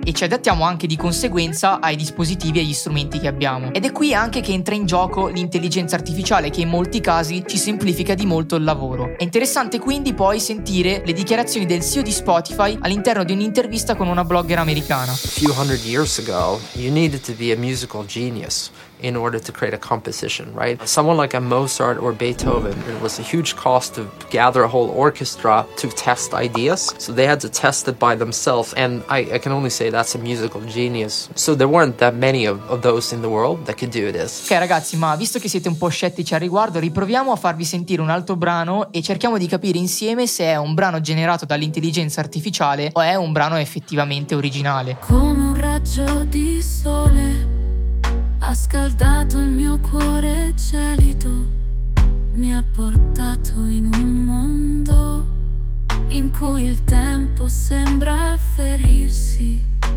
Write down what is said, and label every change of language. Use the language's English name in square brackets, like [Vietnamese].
[Italian] E ci adattiamo anche di conseguenza ai dispositivi e agli strumenti che abbiamo. Ed è qui anche che entra in gioco l'intelligenza artificiale, che in molti casi ci semplifica di molto il lavoro. È interessante quindi poi sentire le dichiarazioni del CEO di Spotify all'interno di un'intervista con una blogger americana. [English] A few hundred years ago, you needed to be a musical genius in order to create a composition, right? Someone like a Mozart or Beethoven, it was a huge cost to gather a whole orchestra to test ideas. So they had to test it by themselves. And I can only say that's a musical genius. So there weren't that many of those in the world that could do this. [Italian] Ok ragazzi, ma visto che siete un po' scettici al riguardo, riproviamo a farvi sentire un altro brano e cerchiamo di capire insieme se è un brano generato dall'intelligenza artificiale o è un brano effettivamente originale. Come un raggio di sole ha scaldato il mio cuore gelido, mi ha portato in un mondo in cui il tempo sembra ferirsi.